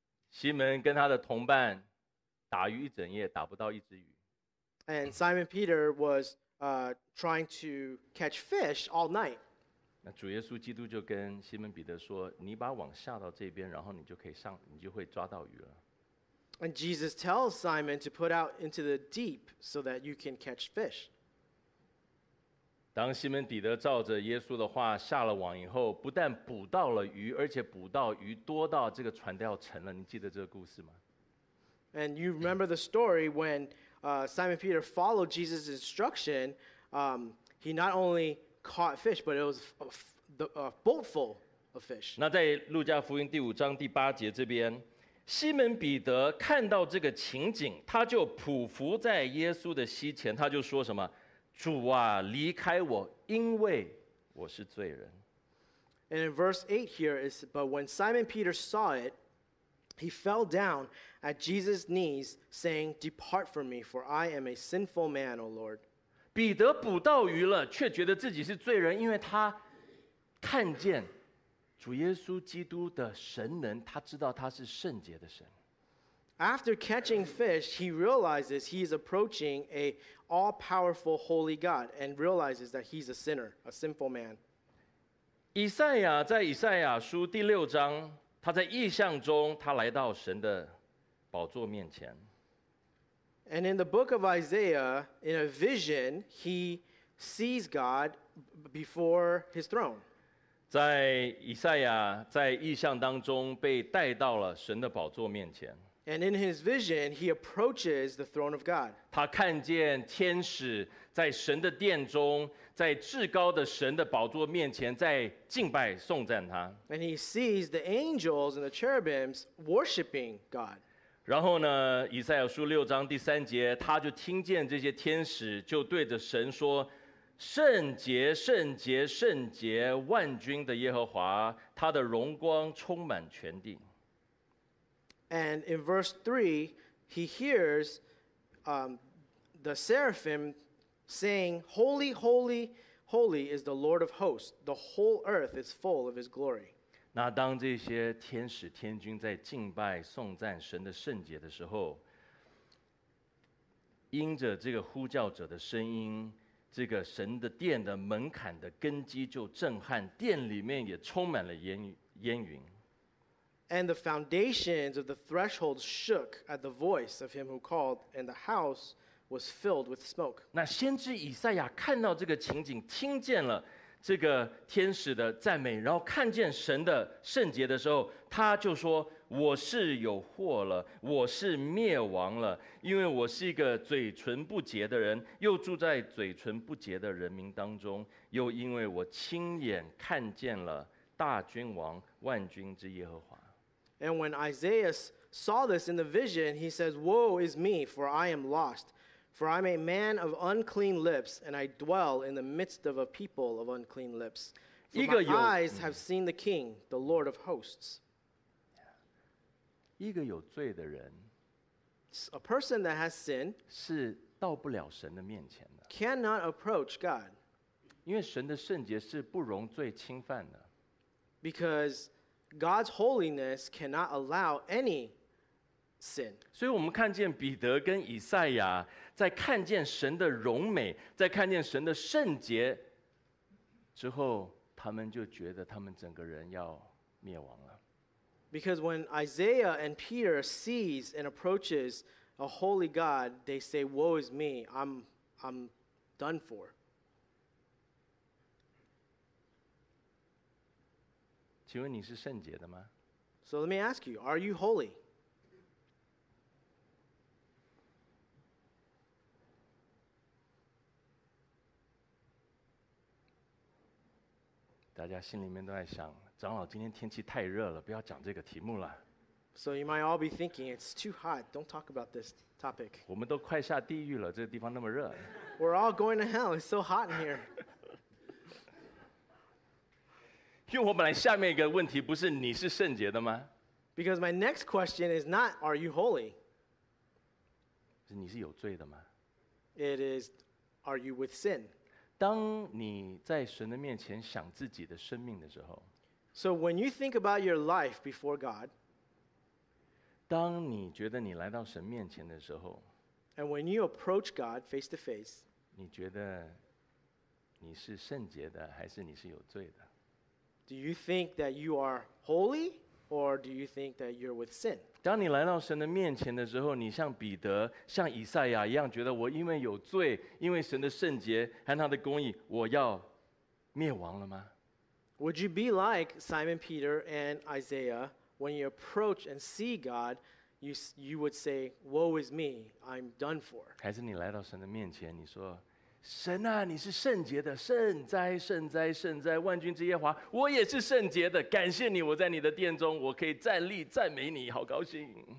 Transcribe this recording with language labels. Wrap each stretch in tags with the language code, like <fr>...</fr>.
<zh>西门跟他的同伴打鱼一整夜，打不到一只鱼。</zh> <en>And Simon Peter was trying to catch fish all night.</en> <zh>那主耶稣基督就跟西门彼得说：“你把网下到这边，然后你就可以上，你就会抓到鱼了。”</zh> <en>And Jesus tells Simon to put out into the deep so that you can catch fish.</en> <zh>当西门彼得照着耶稣的话下了网以后，不但捕到了鱼，而且捕到鱼多到这个船都要沉了。你记得这个故事吗</zh> <en>？And you remember the story when Simon Peter followed Jesus' instruction. He not only caught fish, but it was a boat full of fish.</en> <zh>那在路加福音第五章第八节这边，西门彼得看到这个情景，他就匍匐在耶稣的膝前，他就说什么？主啊，离开我，因为我是罪人。</zh> <en>And in verse 8 here is, But when Simon Peter saw it, he fell down at Jesus' knees, saying, Depart from me, for I am a sinful man, O Lord.</en> <zh>彼得捕到鱼了，却觉得自己是罪人，因为他看见主耶稣基督的神能，他知道他是圣洁的神。</zh> <en>After catching fish, he realizes he is approaching a all-powerful holy God and realizes that he's a sinner, a sinful man.</en> <zh>以赛亚在以赛亚书第六章，他在异象中，他来到神的宝座面前。</zh> <en>And in the book of Isaiah, in a vision, he sees God before his throne.</en> <zh>在以赛亚在异象当中被带到了神的宝座面前。</zh> <en>And in his vision, he approaches the throne of God.</en> <zh>他看见天使在神的殿中，在至高的神的宝座面前，在敬拜颂赞他。</zh> <en>And he sees the angels and the cherubims worshiping God.</en> <zh>然后呢，以赛亚书六章第三节，他就听见这些天使就对着神说：“圣洁，圣洁，圣洁，万军的耶和华，他的荣光充满全地。”</zh> <en>And in verse 3, he hears the seraphim saying, Holy, holy, holy is the Lord of hosts. The whole earth is full of his glory.</en> <zh>那当这些天使天君在敬拜颂赞神的圣洁的时候，因着这个呼叫者的声音，这个神的殿的门槛的根基就震撼，殿里面也充满了烟云。</zh> <en>And the foundations of the threshold shook at the voice of him who called, and the house was filled with smoke.</en> <zh>那先知以赛亚看到这个情景，听见了这个天使的赞美，然后看见神的圣洁的时候，他就说：“ 我是有祸了，我是灭亡了，因为我是一个嘴唇不洁的人，又住在嘴唇不洁的人民当中，又因为我亲眼看见了大君王万军之耶和华。</zh> <en>And when Isaiah saw this in the vision, he says, Woe is me, for I am lost, for I'm a man of unclean lips, and I dwell in the midst of a people of unclean lips. For my eyes have seen the King, the Lord of hosts.</en> <zh>一个有罪的人，</zh> <en>a person that has sinned</en> <zh>是到不了神的面前的，</zh> <en>cannot approach God.</en> <zh>因为神的圣洁是不容罪侵犯的。</zh> <en>Because God's holiness cannot allow any sin.</en> <zh>所以我们看见彼得跟以赛亚在看见神的荣美，在看见神的圣洁之后，他们就觉得他们整个人要灭亡了。</zh> <en>Because when Isaiah and Peter sees and approaches a holy God, they say, Woe is me, I'm done for.</en> <zh>请问你是圣洁的吗？</zh> <en>So let me ask you, are you holy?</en> <zh>大家心里面都在想，长老今天天气太热了，不要讲这个题目了。</zh> <en>So you might all be thinking it's too hot. Don't talk about this topic.</en> <zh>我们都快下地狱了，这个地方那么热。</zh> <en>We're all going to hell. It's so hot in here.</en> <zh>因为我本来下面一个问题不是你是圣洁的吗？</zh> <en>Because my next question is not are you holy.</en> <zh>是你是有罪的吗？</zh> <en>It is are you with sin.</en> <zh>当你在神的面前想自己的生命的时候。</zh> <en>So when you think about your life before God,</en> <zh>当你觉得你来到神面前的时候，</zh> <en>and when you approach God face to face,</en> <zh>你觉得你是圣洁的还是你是有罪的？</zh> <en>Do you think that you are holy or do you think that you're with sin?</en> <zh>当你来到神的面前的时候，你像彼得、像以赛亚一样，觉得我因为有罪，因为神的圣洁和他的公义，我要灭亡了吗？</zh> <en>Would you be like Simon Peter and Isaiah when you approach and see God, you would say, Woe is me, I'm done for.</en> <zh>还是你来到神的面前，你说，神啊，你是圣洁的，圣哉，圣哉，圣哉，万军之耶华，我也是圣洁的，感谢你，我在你的殿中，我可以站立赞美你，好高兴。</zh>